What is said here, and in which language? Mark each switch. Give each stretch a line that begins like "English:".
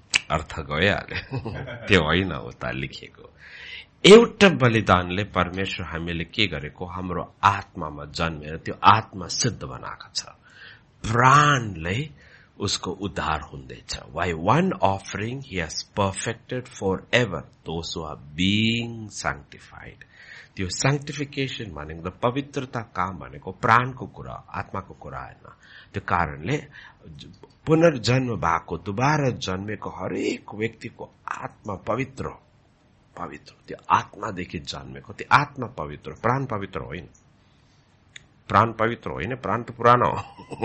Nepali: अर्थ गइहाल्यो, त्यो होइन उता लेखिएको। एउटा बलिदानले परमेश्वर हामीले के गरेको, हाम्रो आत्मामा जन्मेर त्यो आत्मा सिद्ध बनाएको छ, प्राणले उसको उद्धार हुँदैछ।
English: By one offering he has perfected for ever those who are being sanctified.
Nepali: त्यो सैंक्टिफिकेशन भनेको पवित्रता काम भनेको प्राणको कुरा, आत्माको कुरा होइन। त्यो कारणले पुनर्जन्म भएको, दोबारा जन्मेको हरेक व्यक्तिको आत्मा पवित्र, पवित्र त्यो आत्मादेखि जन्मेको, त्यो आत्मा पवित्र, प्राण पवित्र होइन, प्राण पवित्र होइन, प्राण त पुरानो हो।